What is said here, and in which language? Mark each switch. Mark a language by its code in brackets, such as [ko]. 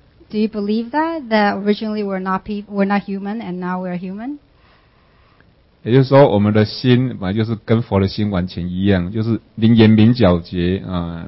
[en] Do you believe that? That originally we're not human, and now we are human. [zh] 也就是说，我们的心本来就是跟佛的心完全一样，就是临严明皎洁啊。